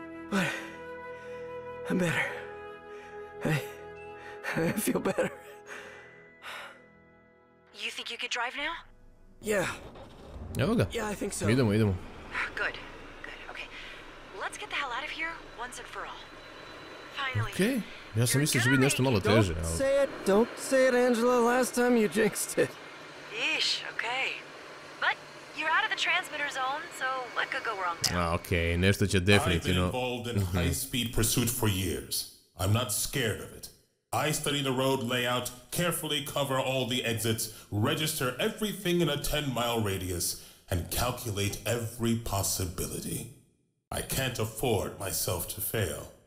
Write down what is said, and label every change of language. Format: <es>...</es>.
<en>But... I'm better. I feel better. You think you could drive now? Yeah.</en> <hr>Evo ga.</hr> <en>Yeah, I think so.</en> <hr>Idemo, idemo.</hr> <en>Good. Good. Okay. Let's get the hell out of here once and for all. Okay.</en> <hr>Ja sam mislio da će biti nešto malo teže, ali...</hr> <en>Don't say it, Angela, last time you jinxed it. Ish, okay. But you're out of the transmitter zone, so what could go wrong now?</en> <hr>Okay, nešto će definitivno...</hr> <en>I've been involved in high-speed pursuit for years. I'm not scared of it. I study the road layout, carefully cover all the exits, register everything in a 10-mile radius, and calculate every possibility. I can't afford myself to fail.</en>